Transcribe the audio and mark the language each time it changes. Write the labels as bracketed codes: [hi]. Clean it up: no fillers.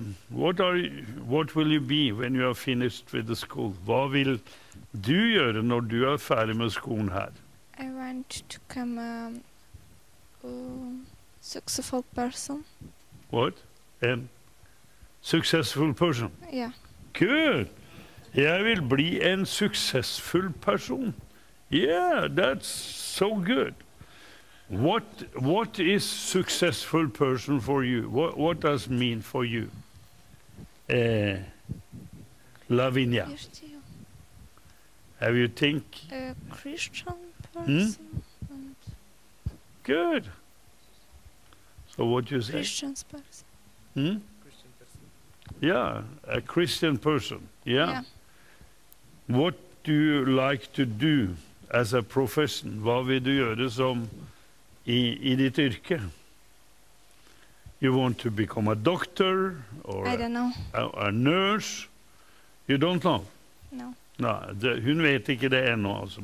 [en] What will you be when you are finished with the school? [no] Hva vil du gjøre når du ferdig med skolen her? [en] I want to become a successful person. What? A successful person? Yeah. Good. [no] Jeg vil bli en [en] successful person. Yeah, that's so good. What is successful person for you? What does mean for you? Lavinia. Have you think? A Christian person. Hmm? Good. So what do you say? Christian person. Hmm? Yeah, a Christian person. Yeah. What do you like to do as a profession? [no] Hva vil du gjøre som I ditt yrke? [en] You want to become a doctor? Or I don't know. A nurse? You don't know? No. [no] Hun vet ikke det ennå, altså.